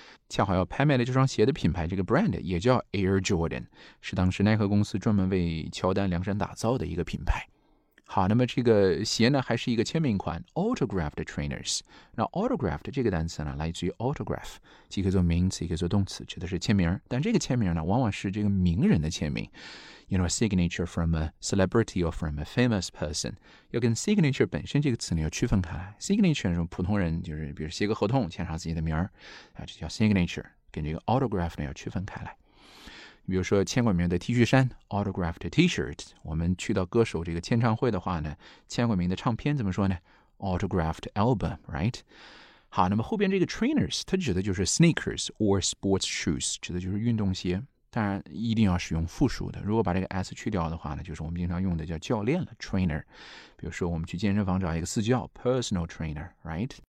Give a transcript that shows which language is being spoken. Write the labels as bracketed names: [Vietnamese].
[Chinese] 恰好要拍卖的这双鞋的品牌，这个 brand 也叫 Air Jordan, 是当时耐克公司专门为乔丹量身打造的一个品牌。好，那么这个鞋呢还是一个签名款 autographed trainers。那 autographed 这个单词呢来自于 autograph, 既可以做名词也可以做动词，指的是签名。但这个签名呢往往是这个名人的签名， [English] You know, a signature from a celebrity or from a famous person. [Chinese] 要跟 signature 本身这个词呢要区分开来。signature 是普通人，就是比如写个合同签上自己的名儿，这叫 signature, 跟这个 autograph 呢要区分开来。比如说签过名的 T 恤衫 autographed T-shirt, 我们去到歌手这个签唱会的话呢，签过名的唱片怎么说呢？ [English] autographed album, right? [Chinese] 好，那么后边这个 trainers, 它指的就是 [English] sneakers or sports shoes, [Chinese] 指的就是运动鞋，当然一定要使用复数的，如果把这个 S 去掉的话呢，就是我们经常用的叫教练了 trainer, 比如说我们去健身房找一个私教 personal trainer, right?